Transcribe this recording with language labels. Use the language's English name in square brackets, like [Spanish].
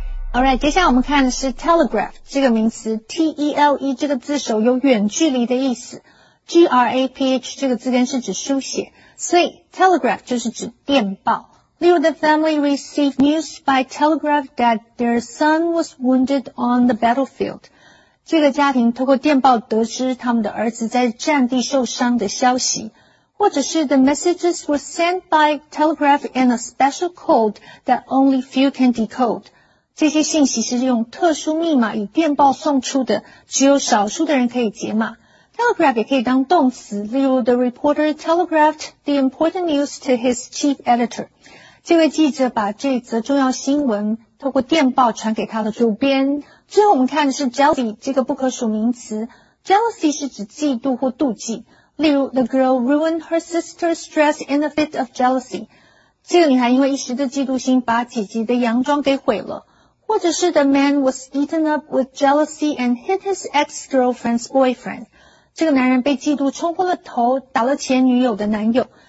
[English] All right, [Chinese] 接下来我们看的是 telegraph 这个名词 T-E-L-E 这个字首有远距离的意思。 G-R-A-P-H 这个字根是指书写，所以 telegraph 就是指电报。例如 [English] the family received news by telegraph that their son was wounded on the battlefield. [Chinese] 这个家庭透过电报得知他们的儿子在战地受伤的消息。或者是 [English] the messages were sent by telegraph in a special code that only few can decode. [Chinese] 这些信息是用特殊密码以电报送出的，只有少数的人可以解码。 [English] Telegraph [Chinese] 也可以当动词，例如 [English] The reporter telegraphed the important news to his chief editor. [Chinese] 这位记者把这则重要新闻透过电报传给他的主编。最后我们看的是 jealousy 这个不可数名词。Jealousy 是指嫉妒或妒忌，例如 [English] The girl ruined her sister's dress in a fit of jealousy. [Chinese] 这个女孩因为一时的嫉妒心把姐姐的洋装给毁了。或者是 [English] The man was eaten up with jealousy and hit his ex-girlfriend's boyfriend. [Chinese] 这个男人被嫉妒冲昏了头，打了前女友的男友。